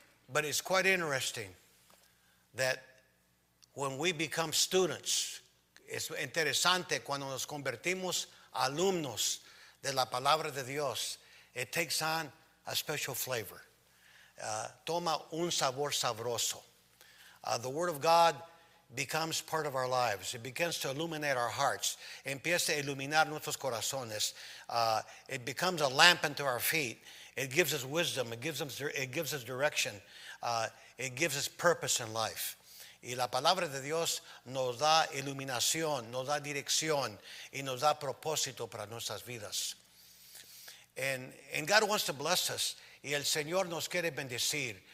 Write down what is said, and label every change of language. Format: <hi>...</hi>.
<en>But it's quite interesting that when we become students,</en> <es>es interesante cuando nos convertimos alumnos de la palabra de Dios,</es> <en>it takes on a special flavor.</en> <es>Toma un sabor sabroso.</es> <en>The word of God becomes part of our lives. It begins to illuminate our hearts.</en> <es>Empieza a iluminar nuestros corazones.</es> <en>It becomes a lamp unto our feet. It gives us wisdom. It gives us direction. It gives us purpose in life.</en> <es>Y la palabra de Dios nos da iluminación, nos da dirección, y nos da propósito para nuestras vidas.</es> <en>And God wants to bless us.</en> <es>Y el Señor nos quiere bendecir.</es>